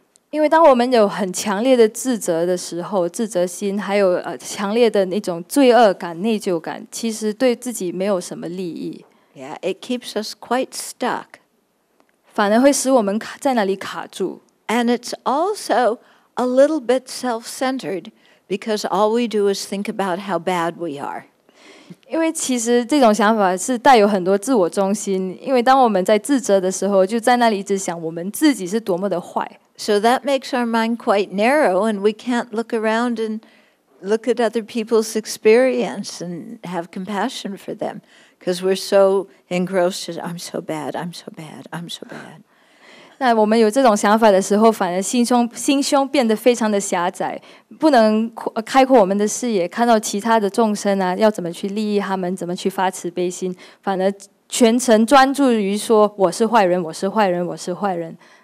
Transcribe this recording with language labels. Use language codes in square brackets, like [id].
[zh] 因为当我们有很强烈的自责的时候，自责心还有强烈的那种罪恶感、内疚感，其实对自己没有什么利益。 [en] Yeah, it keeps us quite stuck. [zh] 反而会使我们在那里卡住。 [en] And it's also a little bit self-centered because all we do is think about how bad we are. [zh] 因为其实这种想法是带有很多自我中心，因为当我们在自责的时候，就在那里一直想我们自己是多么的坏。 [en] So that makes our mind quite narrow, and we can't look around and look at other people's experience and have compassion for them, because we're so engrossed in I'm so bad, I'm so bad, I'm so bad. [zh] 那我们有这种想法的时候，反而心胸变得非常的狭窄。不能开阔我们的视野，看到其他的众生啊，要怎么去利益他们，怎么去发慈悲心，反而全程专注于说我是坏人，我是坏人，我是坏人。